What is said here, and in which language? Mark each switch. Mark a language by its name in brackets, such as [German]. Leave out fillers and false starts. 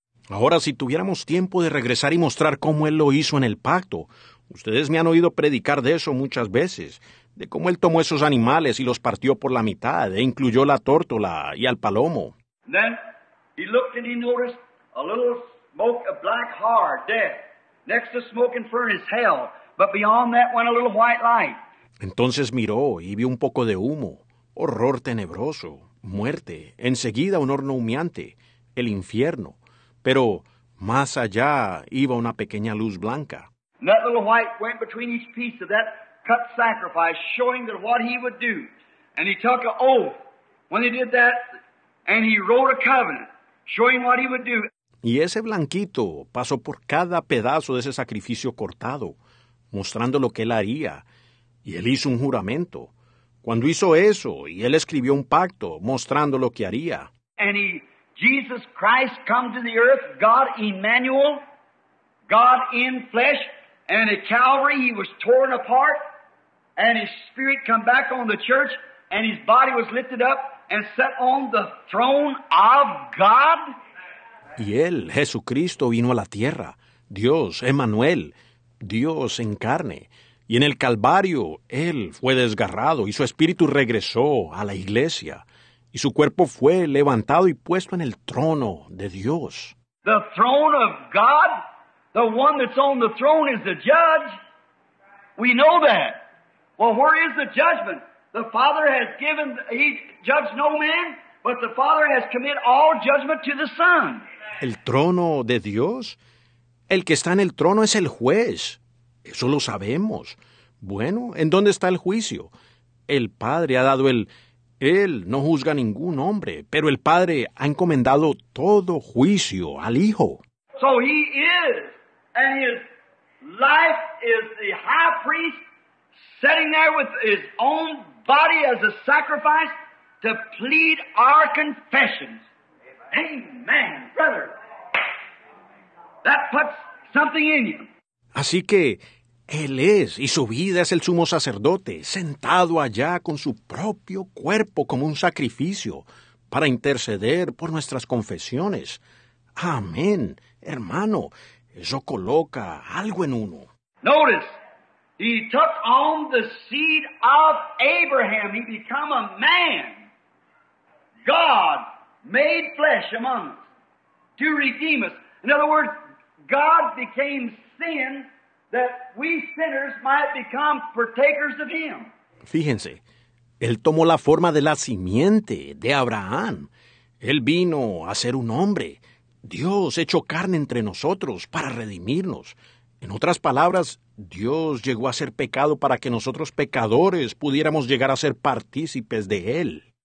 [Spanish] Ahora, si tuviéramos tiempo de regresar y mostrar cómo él lo hizo en el pacto, ustedes me han oído predicar de eso muchas veces, de cómo él tomó esos animales y los partió por la mitad, e incluyó la tórtola y al palomo. [English] And then he looked and he noticed a little smoke of black heart, death, next to smoking furnace, hell. But beyond that went a little white light. [Spanish] Entonces miró y vio un poco de humo, horror tenebroso, muerte, enseguida un horno humeante, el infierno. Pero más allá iba una pequeña luz blanca. [English] And that little white went between each piece of that cut sacrifice, showing that what he would do. And he took an oath when he did that, and he wrote a covenant, showing what he would do. [Spanish] Y ese blanquito pasó por cada pedazo de ese sacrificio cortado, mostrando lo que él haría, y él hizo un juramento. Cuando hizo eso, y él escribió un pacto, mostrando lo que haría. [English] And he, Jesus Christ come to the earth, God Emmanuel, God in flesh, and at Calvary he was torn apart, and his spirit come back on the church, and his body was lifted up and set on the throne of God. [Spanish] Y él, Jesucristo, vino a la tierra, Dios, Emmanuel, Dios en carne, y en el Calvario, él fue desgarrado, y su espíritu regresó a la iglesia, y su cuerpo fue levantado y puesto en el trono de Dios. [English] The throne of God, the one that's on the throne is the judge. We know that. Well, where is the judgment? The Father has given, he judged no man, but the Father has committed all judgment to the Son. [Spanish] El trono de Dios. El que está en el trono es el juez. Eso lo sabemos. Bueno, ¿en dónde está el juicio? El Padre ha dado el... Él no juzga a ningún hombre, pero el Padre ha encomendado todo juicio al Hijo. [English] So he is, and his life is the high priest sitting there with his own body as a sacrifice to plead our confessions. Amen, brother. That puts something in you. [Spanish] Así que, él es, y su vida es el sumo sacerdote, sentado allá con su propio cuerpo como un sacrificio para interceder por nuestras confesiones. Amén, hermano. Eso coloca algo en uno. [English] Notice, he took on the seed of Abraham. He became a man. God made flesh among us to redeem us. In other words, God became sin that we sinners might become partakers of him. [Spanish] Fíjense, él tomó la forma de la simiente de Abraham. Él vino a ser un hombre. Dios hecho carne entre nosotros para redimirnos. En otras palabras, Dios llegó a ser pecado para que nosotros pecadores pudiéramos llegar a ser partícipes de él.